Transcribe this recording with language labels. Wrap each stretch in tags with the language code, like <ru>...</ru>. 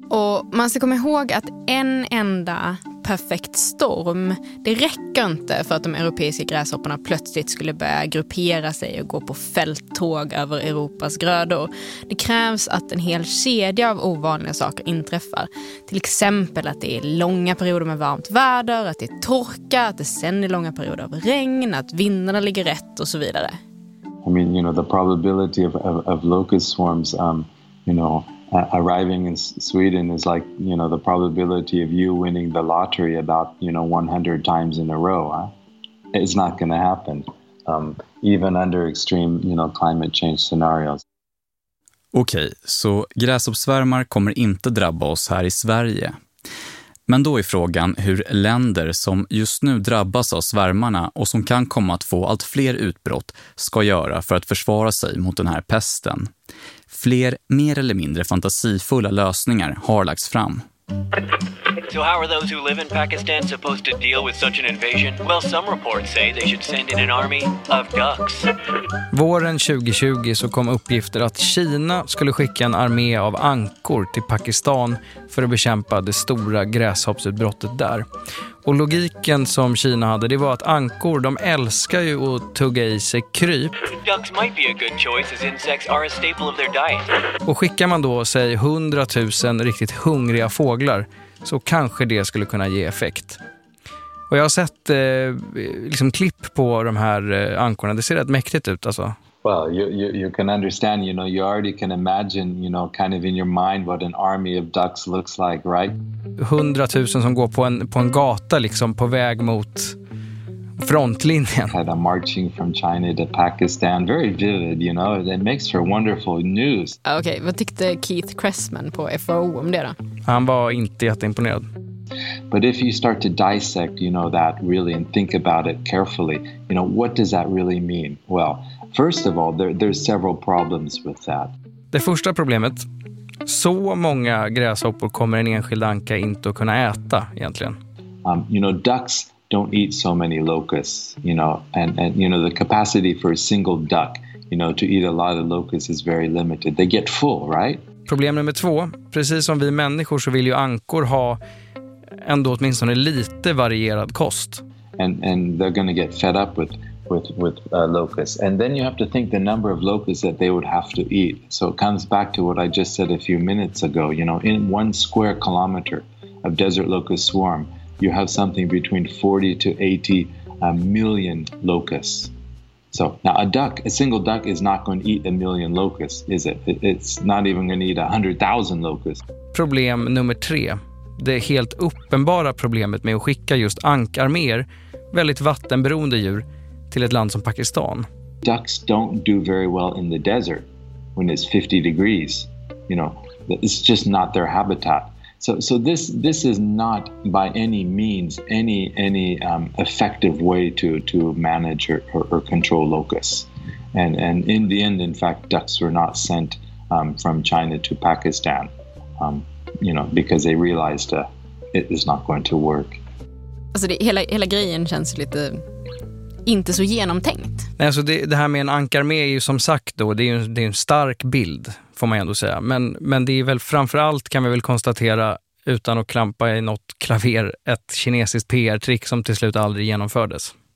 <sv>Och man ska komma ihåg att en enda perfekt storm, det räcker inte för att de europeiska gräshopporna plötsligt skulle börja gruppera sig och gå på fälttåg över Europas grödor. Det krävs att en hel kedja av ovanliga saker inträffar. Till exempel att det är långa perioder med varmt väder, att det är torka, att det sen är långa perioder av regn, att vindarna ligger rätt och så vidare.</sv> <en>I mean, you know, the probability of locust swarms, arriving in Sweden is like, you know, the probability of you winning the lottery about, you know, 100 times in a row. Huh? It's not going to happen, even under extreme, you know, climate change scenarios.</en> <sv>Okej, så gräshoppsvärmar kommer inte drabba oss här i Sverige. Men då är frågan hur länder som just nu drabbas av svärmarna och som kan komma att få allt fler utbrott ska göra för att försvara sig mot den här pesten. Fler mer eller mindre fantasifulla lösningar har lagts fram.</sv> <en>So how are those who live in Pakistan supposed to deal with such an invasion? Well, some reports say they should send in an army of ducks.</en> <sv>Våren 2020 så kom uppgifter att Kina skulle skicka en armé av ankor till Pakistan för att bekämpa det stora gräshoppsutbrottet där. Och logiken som Kina hade, det var att ankor, de älskar ju att tugga i sig kryp.</sv> <en>Ducks might be a good choice as insects are a staple of their diet.</en> <sv>Och skickar man då, säg, 100 000 riktigt hungriga fåglar, så kanske det skulle kunna ge effekt. Och jag har sett liksom klipp på de här ankorna. Det ser rätt mäktigt ut alltså.</sv> <en>Well, you can understand, you know, you already can imagine, you know, kind of in your mind what an army of ducks looks like, right?</en> <sv>100 000 som går på en gata liksom på väg mot frontlinjen.</sv> <en>Had a marching from China to Pakistan, very vivid, you know, it makes for wonderful news.</en> <sv>Okay, vad tyckte Keith Cressman på FAO om det då? Han var inte jätteimponerad.</sv> <en>But if you start to dissect, you know, that really and think about it carefully, you know, what does that really mean? Well, first of all, there's several problems with that.</en> <sv>Det första problemet, så många gräshoppor kommer en enskild anka inte att kunna äta egentligen.</sv> <en>You know, ducks don't eat so many locusts, you know, and you know, the capacity for a single duck, you know, to eat a lot of locusts is very limited. They get full, right?</en> <sv>Problem nummer två, precis som vi människor så vill ju ankor ha ändå åtminstone lite varierad kost.</sv> <en>And they're going to get fed up with locusts. And then you have to think the number of locusts that they would have to eat. So it comes back to what I just said a few minutes ago, you know, in 1 square kilometer of desert locust swarm, you have something between 40 to 80 million locusts. So now a single duck is not going to eat a million locusts, is it? It's not even going to eat 100,000 locusts.</en> <sv>Problem nummer tre. Det helt uppenbara problemet med att skicka just ankarmer, väldigt vattenberoende djur, till ett land som Pakistan.</sv> <en>Ducks don't do very well in the desert when it's 50 degrees. You know, it's just not their habitat. So this is not by any means any effective way to manage or control locusts. And in the end, in fact, ducks were not sent from China to Pakistan. You know, because they realized it is not going to work.</en> <sv>Alltså det, hela grejen känns lite inte så genomtänkt. Nej, alltså det här med en ankarmé är ju som sagt då, det är en stark bild får man ändå säga. Men det är väl framförallt kan vi väl konstatera utan att klampa i något klaver ett kinesiskt PR-trick som till slut aldrig genomfördes.</sv>